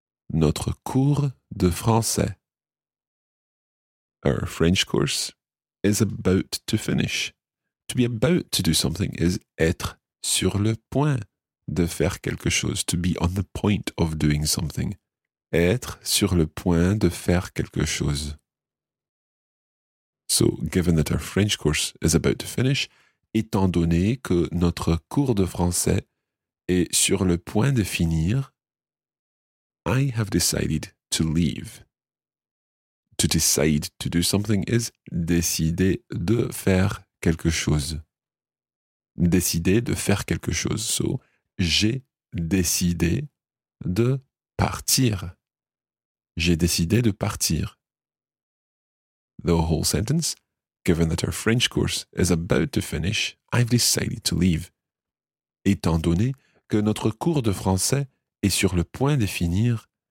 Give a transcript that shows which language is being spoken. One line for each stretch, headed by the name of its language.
French: Notre cours de français.
English: Our French course is about to finish. To be about to do something is
French: être sur le point de faire quelque chose.
English: To be on the point of doing something.
French: Être sur le point de faire quelque chose.
English: So, given that our French course is about to finish,
French: étant donné que notre cours de français est sur le point de finir,
English: I have decided to leave. To decide to do something is
French: décider de faire quelque chose. Décider de faire quelque chose. So, j'ai décidé de partir. J'ai décidé de partir.
English: The whole sentence, given that our French course is about to finish, I've decided to leave.
French: Étant donné que notre cours de français est sur le point de finir,